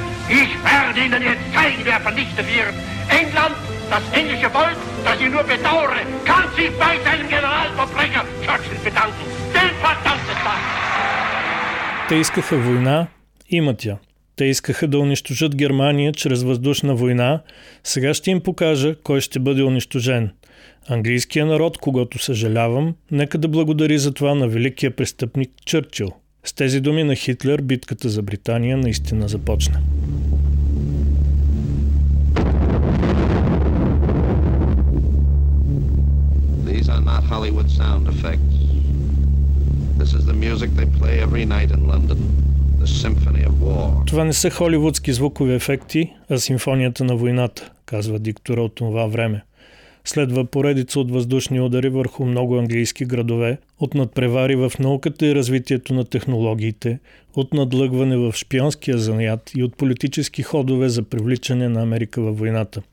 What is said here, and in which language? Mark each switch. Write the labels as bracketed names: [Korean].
[German] Ich werde Ihnen jetzt zeigen, wer vernichtet wird. England, das englische Volk, das ich nur bedauere, kann sich bei seinem Generalverbrecher Churchill bedanken. Den verdammten Tag! [Bulgarian] Те искаха война, имат я. Те искаха да унищожат Германия чрез въздушна война. Сега ще им покажа кой ще бъде унищожен. Английският народ, когато съжалявам, нека да благодари за това на великия престъпник Чърчил. С тези думи на Хитлер битката за Британия наистина започна. [English] These are not Hollywood sound effects. This is the music they play every night in London. The symphony of war. [Bulgarian] Това не са холивудски звукови ефекти, а симфонията на войната, казва диктора от това време. Следва поредица от въздушни удари върху много английски градове, от надпревари в науката и развитието на технологиите, от надлъгване в шпионския занаят и от политически ходове за привличане на Америка във войната.